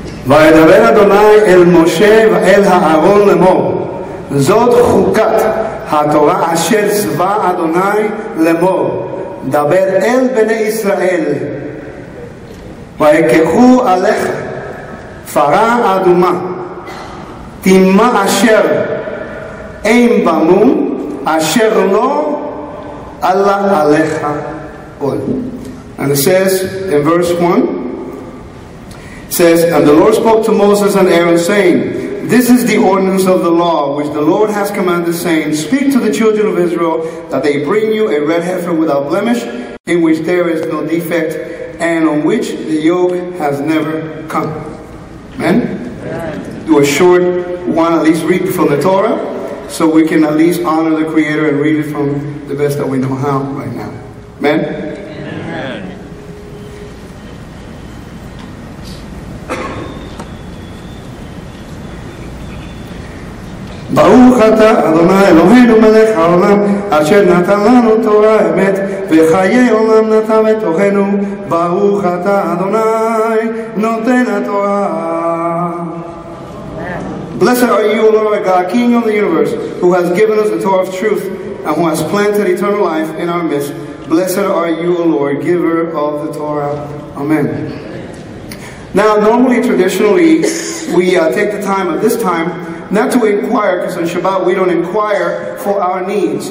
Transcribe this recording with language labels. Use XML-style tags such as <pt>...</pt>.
<he>וידבר אדוני אל משה ואל אהרון לאמור זאת חוקת התורה אשר צבא אדוני לאמור דבר אל בני ישראל ויקחו עליך פרה אדומה תימה אשר אין בנו אשר לא אללה עליך עול.</he> <en>And it says in verse 1, says, and the Lord spoke to Moses and Aaron, saying, this is the ordinance of the law which the Lord has commanded, saying, speak to the children of Israel that they bring you a red heifer without blemish, in which there is no defect, and on which the yoke has never come. Amen? Amen. Do a short one, at least read from the Torah, so we can at least honor the Creator and read it from the best that we know how right now. Amen?</en> <he>ברוך אתה אדוני אלוהינו מלך העולם אשר נתן לנו תורה אמת וחיי עולם נתן בתוכנו ברוך אתה אדוני נותן התורה.</he> <en>Blessed are you, Lord God, King of the universe, who has given us the Torah of truth and who has planted eternal life in our midst. Blessed are you, Lord, giver of the Torah. Amen. Now, normally, traditionally, we take the time at this time not to inquire, because on Shabbat we don't inquire for our needs.</en>